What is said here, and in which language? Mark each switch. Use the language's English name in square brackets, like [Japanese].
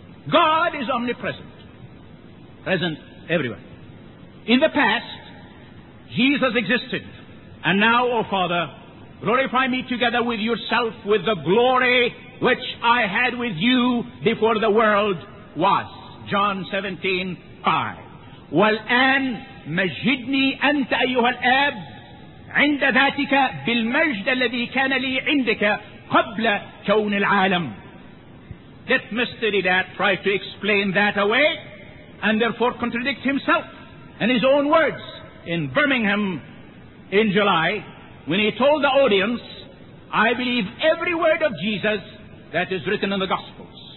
[English] God is omnipresent, present everywhere. In the past, Jesus existed, and now, O Father, glorify me together with yourself with the glory which I had with you before the world was. John 17:5. [Arabic] والآن مجدني أنت أيها الآب عند ذاتك بالمجد الذي كان لي عندك قبل كون العالم. [English] Let me study that, try to explain that away, and therefore contradict himself and his own words in Birmingham in July, when he told the audience, I believe every word of Jesus that is written in the Gospels.